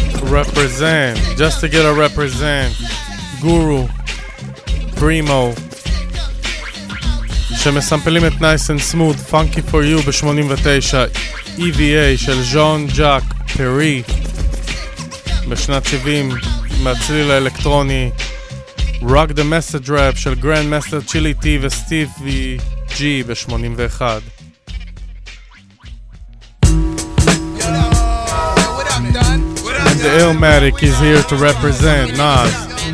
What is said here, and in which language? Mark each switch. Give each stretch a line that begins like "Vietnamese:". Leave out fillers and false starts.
English: Represent, just to get a represent.
Hebrew: Guru, Primo, שמסמפלים את Nice and Smooth, Funky For You ב-89, EVA של ז'ון ג'אק פרי, בשנת 70, מהצליל האלקטרוני Rock the Message Rap של גרנד מאסטר צ'ילי טי וסטיבי ג'י ב-81.
English: And the Illmatic is here to represent Nas.